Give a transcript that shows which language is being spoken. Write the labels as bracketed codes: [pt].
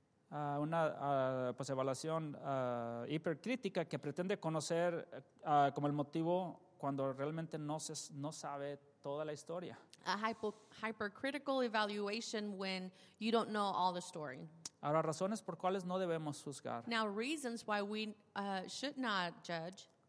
[es] Una evaluación hipercrítica que pretende conocer como el motivo cuando realmente no sabe toda la historia. [en] A hypercritical evaluation when you don't know all the story. [es] Ahora, razones por cuales no debemos juzgar. [en] Now, reasons why we should not judge.